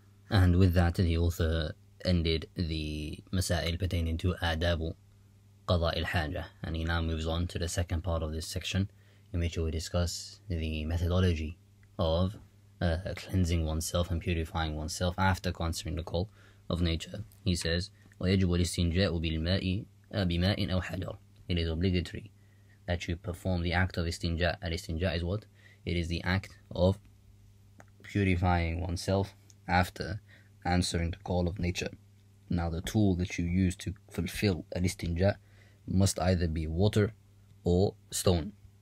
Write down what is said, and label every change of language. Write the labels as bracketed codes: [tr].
[en] And with that, the author ended the masail pertaining to adabu qada al-haja. And he now moves on to the second part of this section, in which we discuss the methodology of cleansing oneself and purifying oneself after answering the call of nature. He says, [ar] وَيَجُبُ الْإِسْتِنْجَاءُ بِمَاءٍ أَوْ حَجَرٍ. [en] It is obligatory that you perform the act of istinja. And istinja is what? It is the act of purifying oneself after answering the call of nature. Now the tool that you use to fulfill al-istinja must either be water or stone.